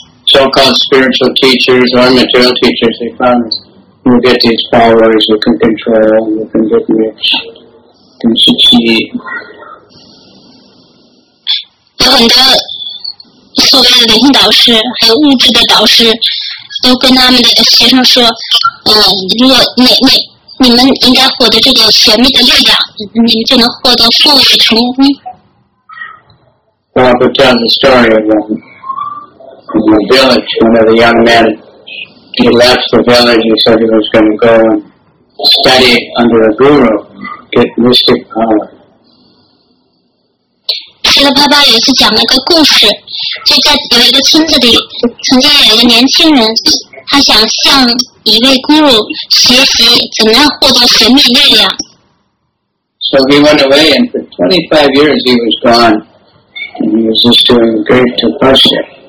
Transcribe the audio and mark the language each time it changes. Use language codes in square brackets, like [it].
[en] so-called spiritual teachers or material teachers, they promise you get these powers, you can control, you can get rich, you can succeed. [zh] 所谓的灵性导师，还有物质的导师，都跟他们的学生说，如果你们应该获得这个玄秘的力量，你们就能获得富裕成功。 [en] Prabhupada tells the story of the village. One of the young men, he left the village. He said he was going to go and study under a guru, get mystic power. [zh] 斯里巴巴也是讲了个故事，就在有一个村子里，曾经有一个年轻人，他想向一位guru学习怎么样获得神秘力量。 [en] So he went away, and for 25 years he was gone, and he was just doing great tapasya.